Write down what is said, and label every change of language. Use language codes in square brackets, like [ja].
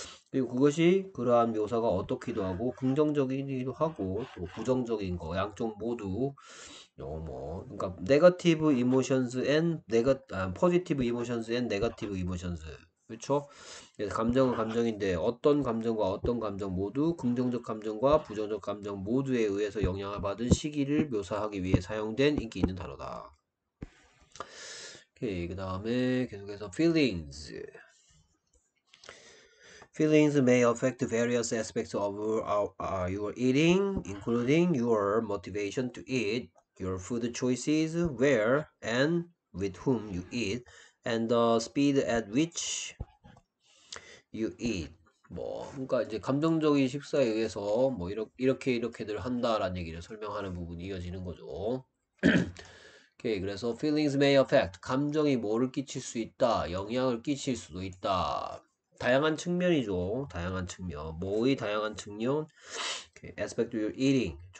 [ko] 그리고 그것이 그러한 묘사가 어떻기도 하고 긍정적이기도 하고 또 부정적인 거 양쪽 모두 그러니까 [en] negative emotions and positive emotions and negative emotions. [ko] 그렇죠? 그래서 감정은 감정인데 어떤 감정과 어떤 감정 모두 긍정적 감정과 부정적 감정 모두에 의해서 영향을 받은 시기를 묘사하기 위해 사용된 인기 있는 단어다. 오케이, 그 다음에 계속해서 [en] feelings may affect various aspects of your eating, including your motivation to eat, your food choices, where and with whom you eat, and the speed at which you eat. [ko] 그러니까 이제 감정적인 식사에 의해서 이렇게들 한다라는 얘기를 설명하는 부분이 이어지는 거죠. 오케이, 그래서 [en] feelings may affect [ko] 감정이 뭐를 끼칠 수 있다, 영향을 끼칠 수도 있다. 다양한 측면이죠. 다양한 측면. 뭐의 다양한 측면? [en] aspect of your eating.